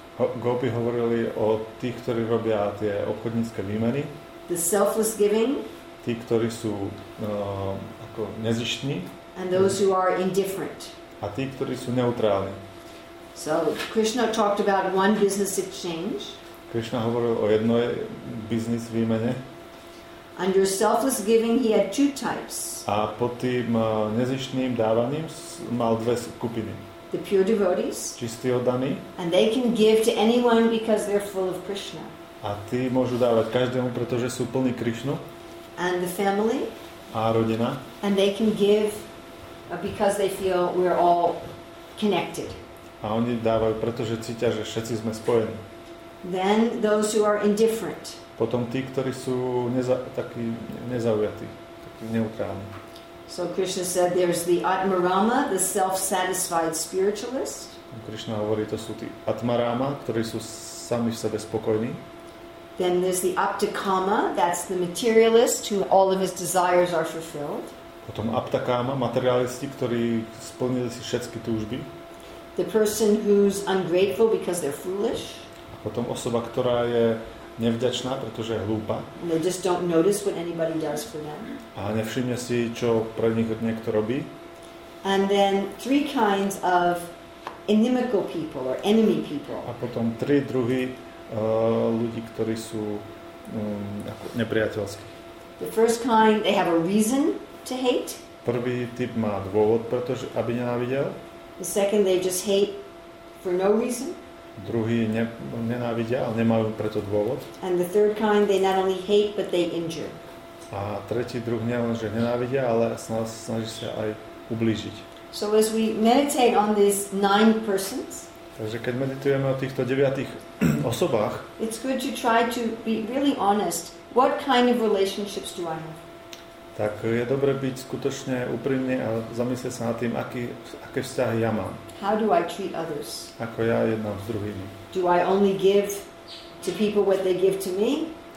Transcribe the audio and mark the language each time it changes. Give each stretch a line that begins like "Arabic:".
Slovak: Gopi hovorili o tých, ktorí robia tie obchodnícke výmeny.
English: The selfless giving.
Slovak: Tí, ktorí sú ako nezištní.
English: And those who are indifferent.
Slovak: A tí, ktorí sú neutrálni.
English: So Krishna talked about one business exchange.
Slovak: Krishna hovoril o jednej business výmene.
English: Under selfless giving he had two types.
Slovak: A pod tým nezištným dávaním mal dve skupiny.
English: The pure devotees.
Slovak: Čistí oddaní.
English: And they can give to anyone because they're full of Krishna.
Slovak: A tí môžu dávať každému, pretože sú plní Krishnu.
English: And the family.
Slovak: A rodina.
English: And they can give because they feel we're all connected.
Slovak: A oni dávajú, pretože cítia, že všetci sme spojení.
English: Then those who are indifferent.
Slovak: Potom tí, ktorí sú takí nezaujatí, takí neutrálni.
English: So Krishna said there's the Atmarama, the self-satisfied spiritualist.
Slovak: Krishna hovorí, to sú tí Atmarama, ktorí sú sami v sebe spokojní.
English: Then there's the Aptakama, that's the materialist who all of his desires are fulfilled.
Slovak: Potom Aptakama, materialisti, ktorí splnili si všetky túžby.
English: The person who's ungrateful because they're foolish.
Slovak: A potom osoba, ktorá je nevďačná, pretože je hlúpa.
English: They just don't notice what anybody does for them.
Slovak: A nevšimne si, čo pre nich niekto robí.
English: And then three kinds of inimical people or enemy people.
Slovak: A potom tri druhy ľudí, ktorí sú nepriateľskí.
English: The first kind, they have a reason to hate.
Slovak: Prvý typ má dôvod, pretože aby nenávidel.
English: The second, they just hate for no reason.
Slovak: Druhý nenávidia, ale nemajú preto dôvod.
English: And the third kind, they not only hate, but they injure.
Slovak: A tretí druh nie len, že nenávidia, ale snaží sa aj ublížiť.
English: So as we meditate on these nine persons,
Slovak: Takže keď meditujeme o týchto deviatých osobách,
English: it's good to try to be really honest. What kind of relationships do I have?
Slovak: Tak je dobre byť skutočne úprimný a zamyslieť sa nad tým, aké vzťahy ja mám.
English: How do I treat others?
Slovak: Ako ja jednám s druhými?
English: Do I only give to people what they give to me?